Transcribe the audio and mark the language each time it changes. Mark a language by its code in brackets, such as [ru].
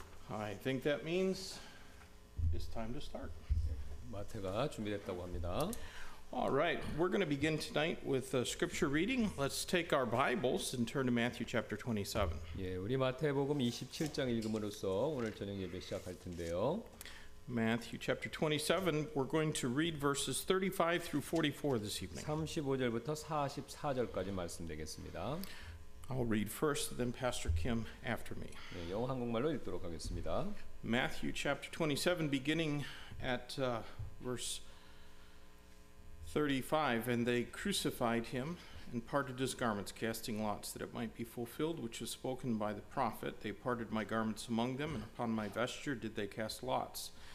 [en] I think that means it's time to start. [ko] 마태가 준비됐다고 합니다. [en] All right, we're going to begin tonight with a scripture reading. Let's take our Bibles and turn to Matthew chapter 27. [ko] 예, 우리 마태복음 27장 읽음으로써 오늘 저녁 예배 시작할 텐데요. [en] Matthew chapter 27, we're going to read verses 35 through 44 this evening. [ko] 35절부터 44절까지 말씀드리겠습니다. [en] I'll read first, then Pastor Kim after me. [ko] 네, 영어 한국말로 읽도록 하겠습니다. [en] Matthew chapter 27, beginning at verse 35, and they crucified him and parted his garments, casting lots, that it might be fulfilled which was spoken by the prophet. They parted my garments among them, and upon my vesture did they cast lots.